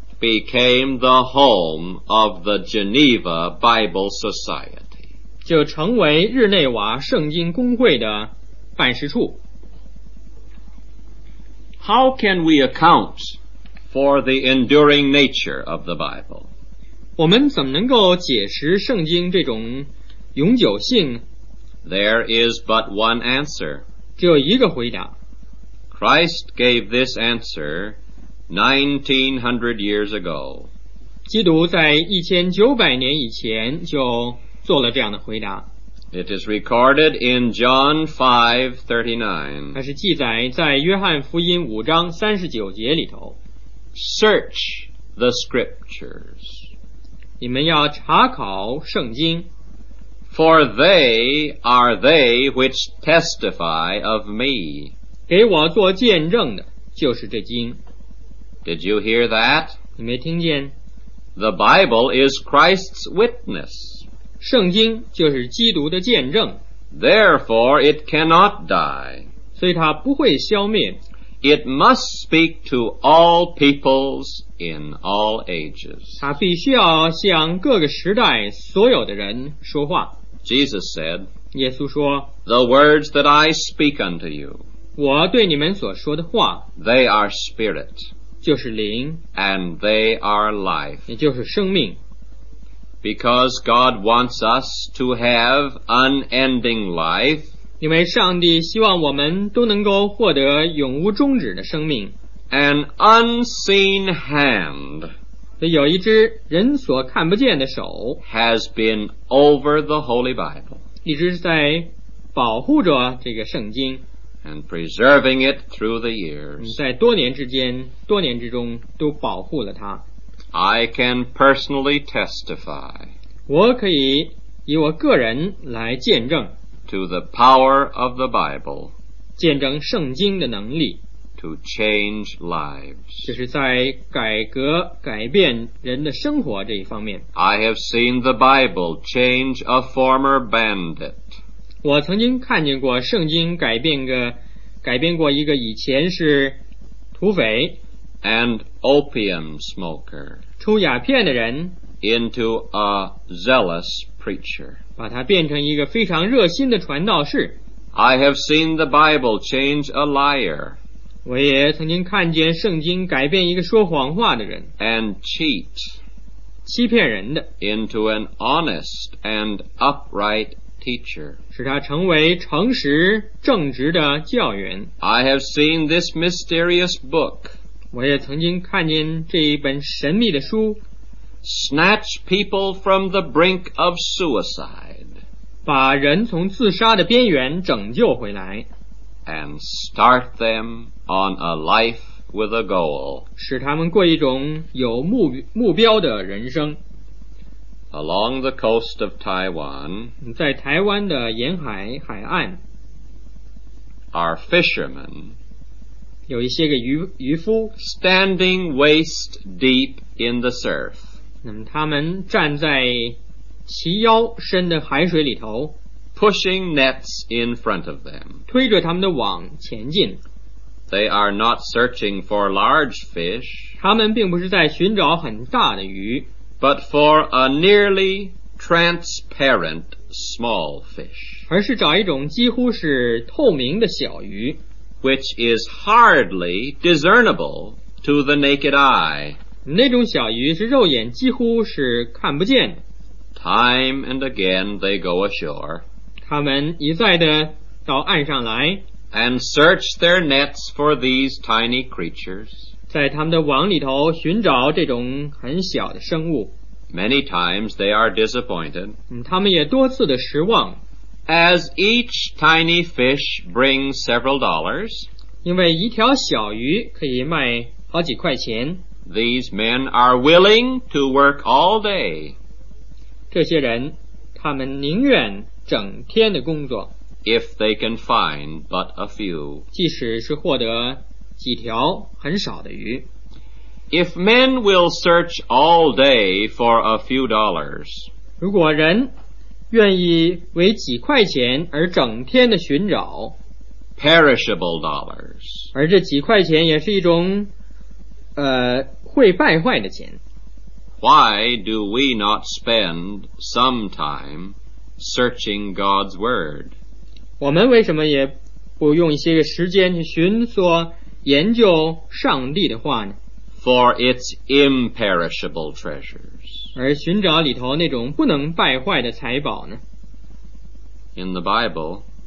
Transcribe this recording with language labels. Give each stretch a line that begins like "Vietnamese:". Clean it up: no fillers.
English: became the home of the Geneva Bible Society.
Chinese: 就成为日内瓦圣经公会的办事处。
English: How can we account for the enduring nature of the Bible?
Chinese: 我们怎么能够解释圣经这种永久性?
English: There is but one answer.
Chinese: 只有一个回答。
English: Christ gave this answer 1900 years ago.
Chinese: 基督在1900年以前就做了这样的回答。
English: It is recorded in John 5:39.
Chinese: 它是记载在约翰福音五章三十九节里头。
English: Search the scriptures.
Chinese: 你们要查考圣经。
English: For they are they which testify of me.
Chinese: 给我做见证的就是这经。
English: Did you hear that?
Chinese: 你没听见?
English: The Bible is Christ's witness.
Chinese: 圣经就是基督的见证。
English: Therefore, it cannot die.
Chinese: 所以它不会消灭。
English: It must speak to all peoples in all ages.
Chinese: 它必须要向各个时代所有的人说话。
English: Jesus said,
Chinese: 耶稣说,
English: The words that I speak unto you,
Chinese: 我对你们所说的话,
English: they are spirit,
Chinese: 就是灵,
English: and they are life,
Chinese: 也就是生命。
English: Because God wants us to have unending life,
Chinese: 因为上帝希望我们都能够获得永无终止的生命。
English: An unseen hand,
Chinese: 有一只人所看不见的手
English: has been over the Holy Bible,
Chinese: 一直在保护着这个圣经
English: and preserving it through the years,
Chinese: 在多年之间，多年之中都保护了它。
English: I can personally testify,
Chinese: 我可以以我个人来见证,
English: to the power of the Bible,
Chinese: 见证圣经的能力,
English: to change lives,
Chinese: 就是在改革改变人的生活这一方面。
English: I have seen the Bible change a former bandit,
Chinese: 我曾经看见过圣经改变过一个以前是土匪
English: And opium smoker,
Chinese: 抽鸦片的人
English: into a zealous preacher,
Chinese: 把他变成一个非常热心的传道士。
English: I have seen the Bible change a liar,
Chinese: 我也曾经看见圣经改变一个说谎话的人
English: and cheat,
Chinese: 欺骗人的
English: into an honest and upright teacher,
Chinese: 使他成为诚实正直的教员。
English: I have seen this mysterious book,
Chinese: 我也曾经看见这一本神秘的书
English: Snatch people from the brink of suicide,
Chinese: 把人从自杀的边缘拯救回来
English: And start them on a life with a goal,
Chinese: 使他们过一种有目标的人生。
English: Along the coast of Taiwan,
Chinese: 在台湾的沿海海岸
English: Are fishermen,
Chinese: 有一些个渔夫
English: standing waist deep in the surf,
Chinese: 他们站在齐腰深的海水里头
English: pushing nets in front of them,
Chinese: 推着他们的网前进。
English: They are not searching for large fish,
Chinese: 他们并不是在寻找很大的鱼
English: but for a nearly transparent small fish,
Chinese: 而是找一种几乎是透明的小鱼。
English: Which is hardly discernible to the naked eye.
Chinese: 那种小鱼是肉眼几乎是看不见的。
English: Time and again they go ashore.
Chinese: 他们一再地到岸上来。
English: And search their nets for these tiny creatures.
Chinese: 在他们的网里头寻找这种很小的生物。
English: Many times they are disappointed.
Chinese: 他们也多次的失望。
English: As each tiny fish brings several dollars,
Chinese: 因为一条小鱼可以卖好几块钱,
English: these men are willing to work all day,
Chinese: 这些人他们宁愿整天的工作,
English: if they can find but a few,
Chinese: 即使是获得几条很少的鱼。
English: If men will search all day for a few dollars,
Chinese: 如果人愿意为几块钱而整天的寻找
English: perishable dollars,
Chinese: 而这几块钱也是一种会败坏的钱。
English: Why do we not spend some time searching God's word?
Chinese: 我们为什么也不用一些时间去寻索研究上帝的话呢？
English: For its imperishable treasures.
Chinese: 而寻找里头那种不能败坏的财宝呢？
English: In the Bible,